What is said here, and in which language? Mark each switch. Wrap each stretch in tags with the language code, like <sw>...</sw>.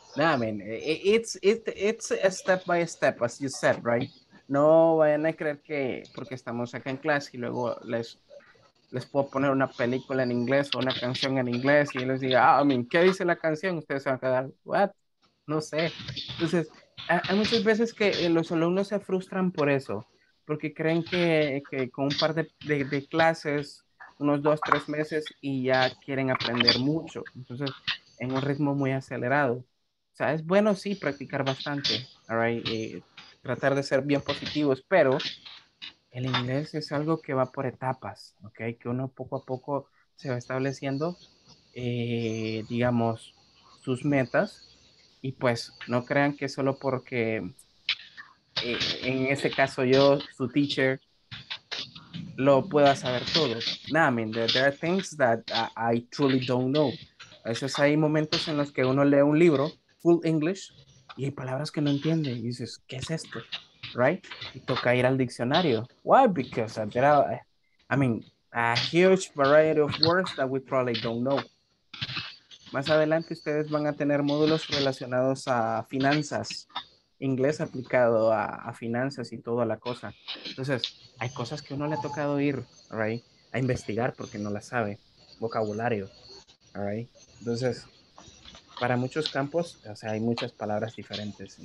<en>No, I mean, it's a step by step, as you said, right?</en> <es>No vayan a creer que porque estamos acá en clase y luego les puedo poner una película en inglés o una canción en inglés y les diga, ah,</es> <en>I mean,</en> <es>¿qué dice la canción? Ustedes se van a quedar, what? No sé. Entonces, hay muchas veces que los alumnos se frustran por eso, porque creen que con un par de clases, unos 2-3 meses, y ya quieren aprender mucho. Entonces, en un ritmo muy acelerado. O sea, es bueno, sí, practicar bastante, all right? Y tratar de ser bien positivos, pero el inglés es algo que va por etapas, ¿ok? Que uno poco a poco se va estableciendo, digamos, sus metas. Y pues, no crean que solo porque... en ese caso yo, su teacher, lo pueda saber todo.</es> <en>Nah, I mean, there are things that I truly don't know.</en> <es>A veces hay momentos en los que uno lee un libro,</es> <en>full English,</en> <es>y hay palabras que no entiende. Y dices, ¿qué es esto? Right? Y toca ir al diccionario.</es> <en>Why? Because a huge variety of words that we probably don't know.</en> <es>Más adelante ustedes van a tener módulos relacionados a finanzas. Inglés aplicado a finanzas y toda la cosa. Entonces, hay cosas que uno le ha tocado ir, right, a investigar porque no las sabe. Vocabulario, right? Entonces, para muchos campos, o sea, hay muchas palabras diferentes.</es>